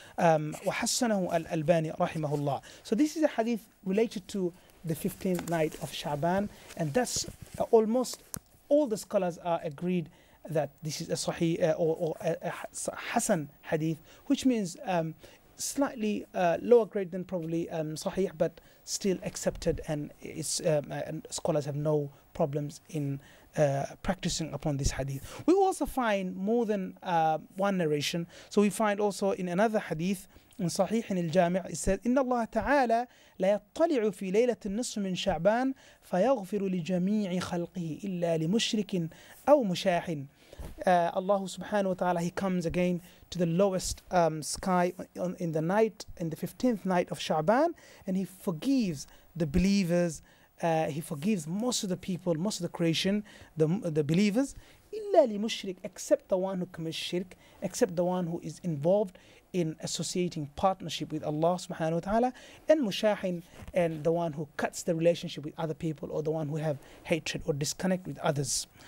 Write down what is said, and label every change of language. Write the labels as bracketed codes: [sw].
[ar] وَحَسَّنَهُ [en] al-Albani rahimahullah. So this is a hadith related to the 15th night of Sha'ban, and that's almost all the scholars are agreed that this is a sahih or a Hassan hadith, which means slightly lower grade than probably sahih, but still accepted, and it's and scholars have no problems in practicing upon this hadith. We also find more than one narration. So we find also in another hadith In Sahih al-Jami' it says, [ar] إِنَّ اللَّهَ تَعَالَى لَيَطَّلِعُ فِي لَيْلَةِ النِّصْفِ مِنْ شَعْبَانِ فَيَغْفِرُ لِجَمِيعِ خَلْقِهِ إِلَّا لِمُشْرِكٍ أَوْ مُشَاحٍ. [en] Allah subhanahu wa ta'ala, he comes again to the lowest sky in the night, in the 15th night of Sha'ban, and he forgives the believers, he forgives most of the people, most of the creation, the believers, [ar] إِلَّا لِمُشْرِكٍ, [en] except the one who commits shirk, except the one who is involved in associating partnership with Allah subhanahu wa ta'ala, and mushahin, and the one who cuts the relationship with other people, or the one who have hatred or disconnect with others.